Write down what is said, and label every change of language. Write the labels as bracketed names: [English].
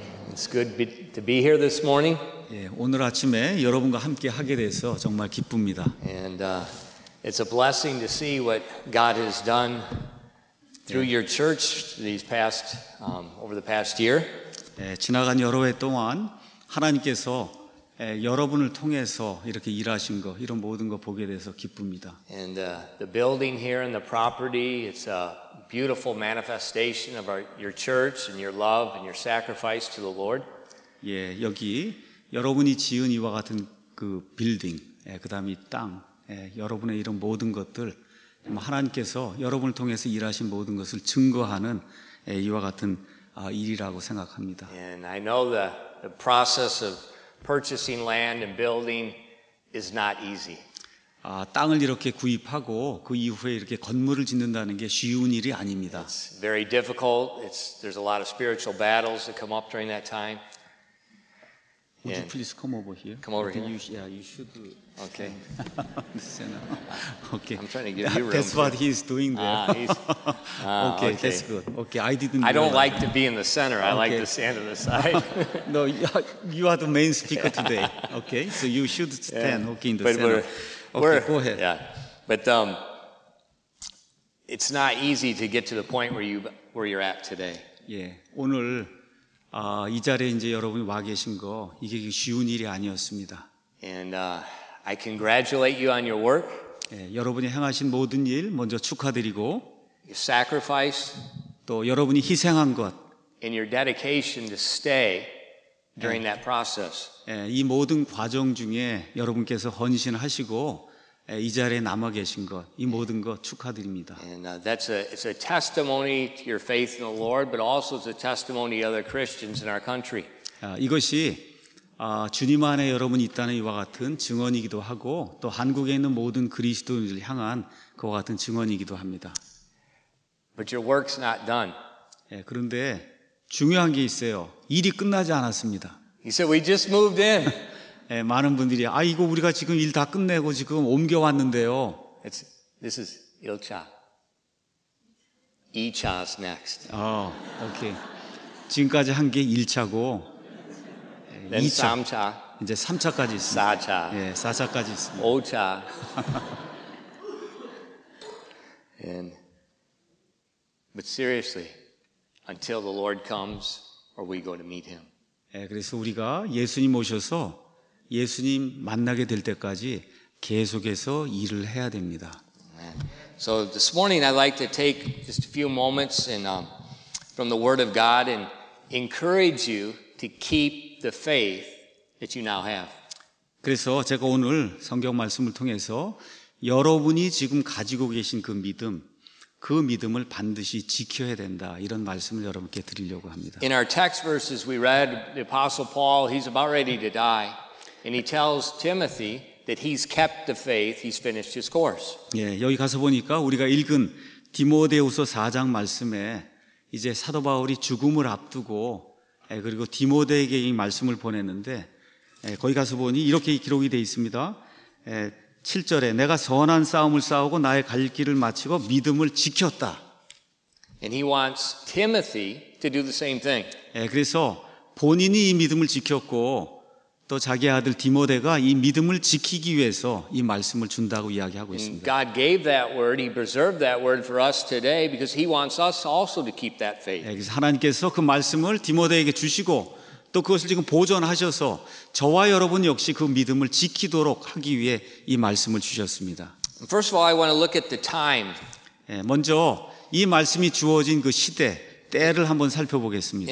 [English] It's good to be here this morning. [Korean] 예, 오늘 아침에 여러분과 함께 하게 돼서 정말 기쁩니다. [English] And it's a blessing to see what God has done through your church these past over the past year. [Korean] 예, 지나간 여러 해 동안 하나님께서 여러분을 통해서 이렇게 일하신 거 이런 모든 거 보게 돼서 기쁩니다. [English] And the building here and the property, it's a beautiful manifestation of your church and your love and your sacrifice to the Lord. [Korean] 예, 여기 여러분이 지은 이와 같은 그 빌딩, 예, 그다음에 땅, 예, 여러분의 이런 모든 것들 하나님께서 여러분을 통해서 일하신 모든 것을 증거하는 예, 이와 같은 일이라고 생각합니다. [English] And I know the process of purchasing land and building is not easy. [Korean] 아, 땅을 이렇게 구입하고 그 이후에 이렇게 건물을 짓는다는 게 쉬운 일이 아닙니다. [English] It's very difficult. There's a lot of spiritual battles that come up during that time. Would you please come over here? Come over here. You should. Okay. Listen. Okay. I'm trying to give you room. That's what he's doing there. Okay, that's good. Okay, I didn't. I don't like to be in the center. I like to stand to the side. No, you are the main speaker today. Okay, so you should stand. Okay, in the center. Go ahead. Yeah, but it's not easy to get to the point where you're at today. [Korean] 예, 오늘 이 자리에 이제 여러분이 와 계신 거 이게 쉬운 일이 아니었습니다. [English] And I congratulate you on your work. [Korean] 예, 여러분이 행하신 모든 일 먼저 축하드리고. [English] Your sacrifice. [Korean] 또 여러분이 희생한 것. [English] And your dedication to stay. During that process, [Korean] 예, 이 모든 과정 중에 여러분께서 헌신하시고 예, 이 자리에 남아 계신 것, 이 모든 것 축하드립니다. [English] And it's a testimony to your faith in the Lord, but also it's a testimony to other Christians in our country. [Korean] 아, 이것이 주님 안에 여러분 있다는 이와 같은 증언이기도 하고 또 한국에 있는 모든 그리스도인들 향한 그와 같은 증언이기도 합니다. [English] But your work's not done. [Korean] 예, 그런데 중요한 게 있어요. 일이 끝나지 않았습니다. [English] He said, "We just moved in." [Korean] 예, 많은 분들이 아 이거 우리가 지금 일 다 끝내고 지금 옮겨 왔는데요. [English] This is 1차. 2차 is next. [Korean] 아, 오케이. 지금까지 한 게 1차고 [English] Then 2차. 3차. [Korean] 이제 3차까지 있습니다. 4차. 예, 4차까지 있습니다. 5차. [English] But seriously, until the Lord comes or we go to meet him. [Korean] 예, 그래서 우리가 예수님 오셔서 예수님 만나게 될 때까지 계속해서 일을 해야 됩니다. [English] So this morning I'd like to take just a few moments and from the word of God and encourage you to keep the faith that you now have. [Korean] 그래서 제가 오늘 성경 말씀을 통해서 여러분이 지금 가지고 계신 그 믿음 그 믿음을 반드시 지켜야 된다 이런 말씀을 여러분께 드리려고 합니다. [English] In our text verses we read the apostle Paul he's about ready to die and he tells Timothy that he's kept the faith he's finished his course. [Korean] 예, 여기 가서 보니까 우리가 읽은 디모데후서 4장 말씀에 이제 사도 바울이 죽음을 앞두고 예, 그리고 디모데에게 이 말씀을 보냈는데 예, 거기 가서 보니 이렇게 기록이 돼 있습니다. 예, 7절에 내가 선한 싸움을 싸우고 나의 갈 길을 마치고 믿음을 지켰다. [English] And he wants Timothy to do the same thing. [Korean] 예, 그래서 본인이 이 믿음을 지켰고 또 자기 아들 디모데가 이 믿음을 지키기 위해서 이 말씀을 준다고 이야기하고 있습니다. [English] God gave that word, he preserved that word for us today because he wants us also to keep that faith. [Korean] 예, 그래서 하나님께서 그 말씀을 디모데에게 주시고 또 그것을 지금 보존하셔서 저와 여러분 역시 그 믿음을 지키도록 하기 위해 이 말씀을 주셨습니다. [English] First of all, I want to look at the time. [Korean] 예, 먼저 이 말씀이 주어진 그 시대, 때를 한번 살펴보겠습니다.